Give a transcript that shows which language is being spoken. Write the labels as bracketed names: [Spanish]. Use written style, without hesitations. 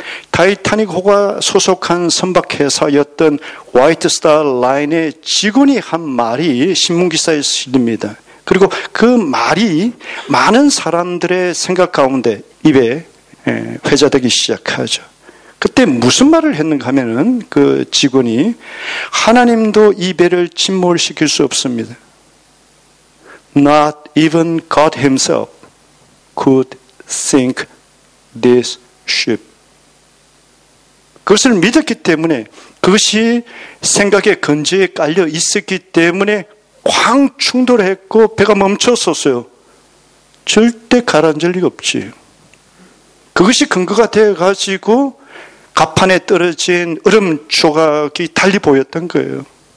[Korean] 타이타닉 호가 소속한 선박회사였던 화이트 스타 라인의 직원이 한 말이 신문기사에 실립니다. 그리고 그 말이 많은 사람들의 생각 가운데 입에 회자되기 시작하죠. 그때 무슨 말을 했는가 하면은 그 직원이 하나님도 이 배를 침몰시킬 수 없습니다. [English] Not even God himself could sink this ship. [Korean] 그것을 믿었기 때문에 그것이 생각의 근저에 깔려 있었기 때문에 광 충돌했고 배가 멈췄었어요. 절대 가라앉을 리가 없지. 그것이 근거가 돼가지고 갑판에 떨어진 얼음 조각이 달리 보였던 거예요.